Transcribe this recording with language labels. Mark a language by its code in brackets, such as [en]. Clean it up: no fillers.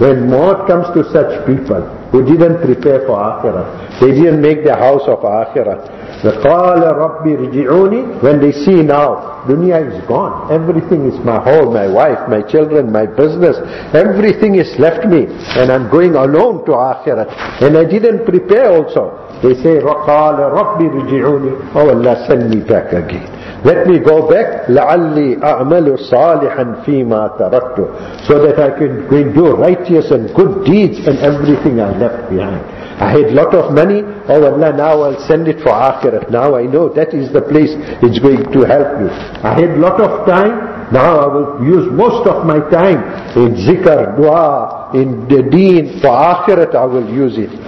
[en] When mort comes to such people who didn't prepare for akhirat, they didn't make the house of akhirat. [ar] وَقَالَ رَبِّ رِجِعُونِي. [en] When they see now, dunya is gone. Everything is my home, my wife, my children, my business. Everything is left me. And I'm going alone to akhirat. And I didn't prepare also. They say, [ar] وَقَالَ رَبِّ رِجِعُونِي. [en] Oh Allah, send me back again. Let me go back. [ar] لَعَلِّي أَعْمَلُ صَالِحًا فِي مَا تَرَكْتُ. [en] So that I can do righteous and good deeds and everything I left behind. I had lot of money, oh Allah, now I'll send it for akhirat. Now I know that is the place it's going to help you. I had lot of time, now I will use most of my time in zikr, dua, in the deen, for akhirat I will use it.